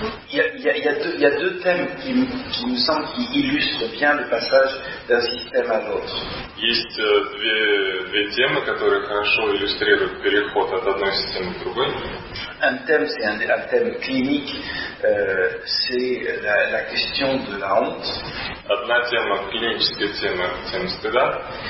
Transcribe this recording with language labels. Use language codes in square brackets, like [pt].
[fr] Il y a deux thèmes qui me semblent qui illustrent bien le passage d'un système à l'autre. [ru] Есть две темы, которые хорошо иллюстрируют переход от одной системы к другой. [fr] Un thème, c'est un thème clinique, c'est la question de la honte. [ru] Одна тема, клиническая тема, тема стыда.